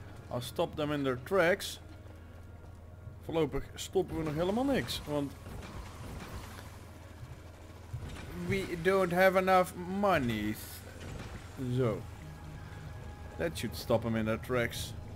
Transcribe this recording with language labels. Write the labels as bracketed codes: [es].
[en] I'll stop them in their tracks. [nl] Voorlopig stoppen we nog helemaal niks, want... [en] We don't have enough monies. [nl] Zo. [en] That should stop him in the tracks.